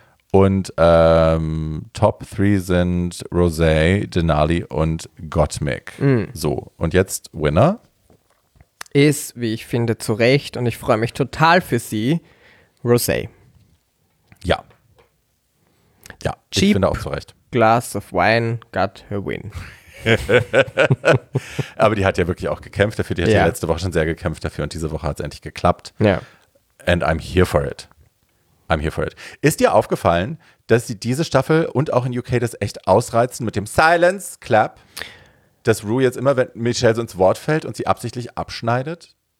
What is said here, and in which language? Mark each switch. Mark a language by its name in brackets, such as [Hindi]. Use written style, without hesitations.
[German] Und Top 3 sind Rosé, Denali und Gottmik. So, und jetzt Winner. Ist, wie ich finde, zu Recht und ich freue mich total für sie, Rosé. Ja. Ja, [English] cheap, [German] ich finde auch zu Recht. [English] Glass of Wine got her win. [German] Aber die hat ja wirklich auch gekämpft dafür. Die hat ja letzte Woche schon sehr gekämpft dafür und diese Woche hat es endlich geklappt. Ja. [English] And I'm here for it. [German] Ist dir aufgefallen, dass sie diese Staffel und auch in UK das echt ausreizen mit dem Silence Clap? Dass Ru jetzt immer, wenn Michelle so ins Wort fällt und sie absichtlich abschneidet?